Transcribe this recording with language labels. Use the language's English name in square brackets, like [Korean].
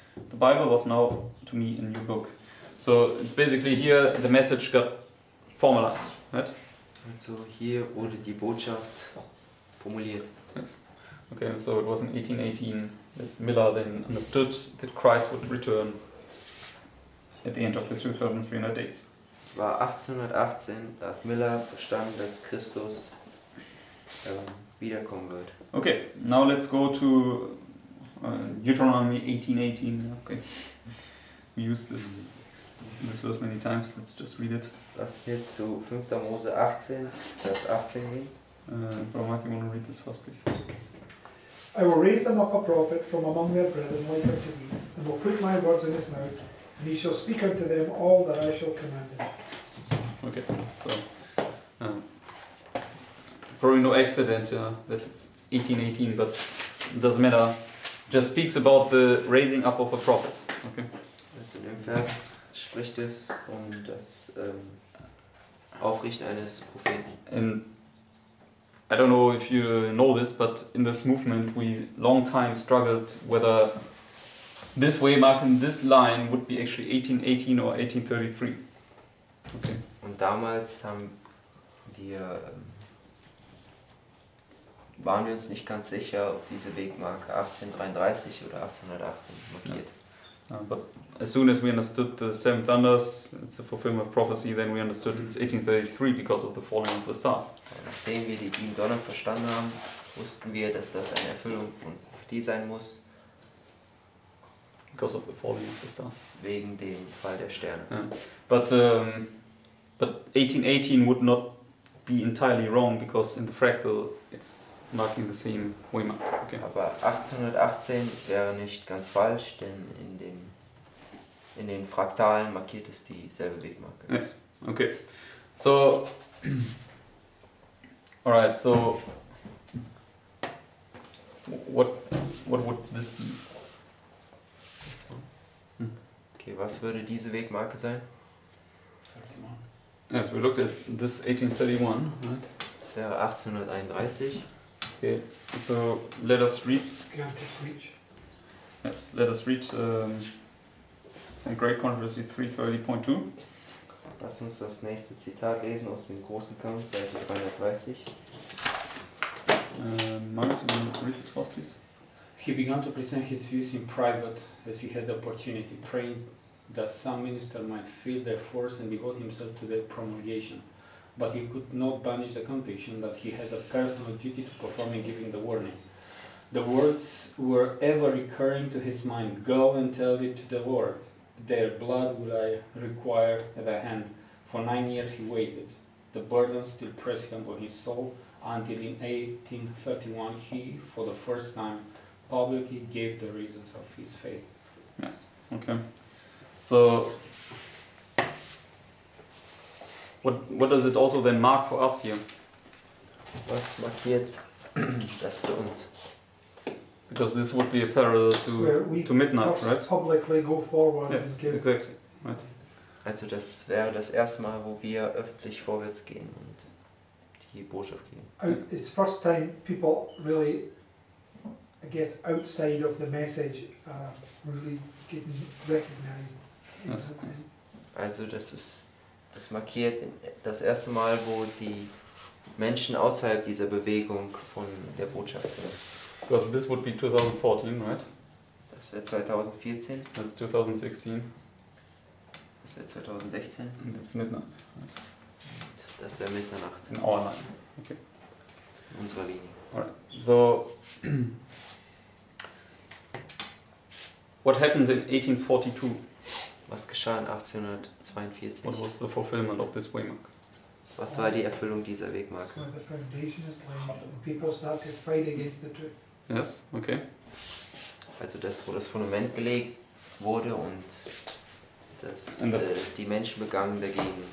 [English] The Bible was now to me a new book. So it's basically here the message got formalized, right? [German] Also here wurde die Botschaft formuliert. [English] Yes. Okay, so it was in 1818 that Miller then understood that Christ would return at the end of the 2300 days. [German] Es war 1818, da hat Miller verstanden, dass Christus wiederkommen wird. [English] Okay, now let's go to Deuteronomy 18:18. Okay, we use this verse many times. Let's just read it. [German] Lass jetzt zu 5. Mose 18, Vers 18 gehen. [English] Bro, Mark, you want to read this first, please? I will raise them up a prophet from among their brethren like unto me, and will put my words in his mouth, and he shall speak unto them all that I shall command him. Okay, so probably no accident that it's 18:18, but it doesn't matter. Just speaks about the raising up of a prophet. Okay. [German] Also in dem Vers spricht es um das Aufrichten eines Propheten. [English] And I don't know if you know this, but in this movement we long time struggled whether this waymark in this line would be actually 1818 or 1833. Okay. [German] Und damals haben wir waren wir uns nicht ganz sicher, ob diese Wegmarke 1833 oder 1818 markiert. Yes. [English] But as soon as we understood the seven thunders, it's a fulfillment of prophecy, then we understood it's 1833 because of the falling of the stars. [German] Nachdem wir die sieben Donner verstanden haben, wussten wir, dass das eine Erfüllung von Prophetie sein muss. [English] Because of the falling of the stars. [German] Wegen dem Fall der Sterne. [English] Yeah. But 1818 would not be entirely wrong, because in the fractal it's marking the same way mark. Okay. [German] Aber 1818 wäre nicht ganz falsch, denn in dem in den Fraktalen markiert es dieselbe Wegmarke. [English] Yes. Okay. So. All right. So. What would this be? This one. [German] Okay. Was würde diese Wegmarke sein? [English] Yes, we looked at this 1831, right? [German] Das wäre 1831. [English] Okay, so let us read. Reach. Yes, let us read from Great Controversy 330.2. [German] Lass uns das nächste Zitat lesen aus dem Großen Kampf, Seite 330. [English] Marcus, you want to read this first, please? He began to present his views in private as he had the opportunity, praying that some minister might feel their force and devote himself to their promulgation. But he could not banish the conviction that he had a personal duty to perform in giving the warning. The words were ever recurring to his mind, "Go and tell it to the Lord. Their blood will I require at thy hand." For 9 years he waited. The burden still pressed him on his soul, until in 1831 he, for the first time, publicly gave the reasons of his faith. Yes, okay. So, what does it also then mark for us here? [German] Was markiert das für uns? [English] Because this would be a parallel to midnight, right? Publicly go forward. Yes, and give. Exactly. Right. [German] Also das wäre das erste Mal, wo wir öffentlich vorwärts gehen und die Botschaft geben. [English] It's first time people really, I guess, outside of the message, really getting recognized. Yes. [German] Also das markiert das erste Mal, wo die Menschen außerhalb dieser Bewegung von der Botschaft hören. [English] Because this would be 2014, right? [German] Das wäre 2014. [English] That's 2016. [German] Das wäre 2016. [English] That's Mitternacht. [German] Das wäre Mitternacht. [English] In our line. Okay. [German] In unserer Linie. [English] Alright. So. What happened in 1842? [German] Was geschah in 1842? [English] What was the fulfillment of this waymark? [German] Was war die Erfüllung dieser Wegmarke? [English] So the foundation is when people start to fight against the truth. Yes, okay. [German] Also das, wo das Fundament gelegt wurde und das die Menschen begannen dagegen.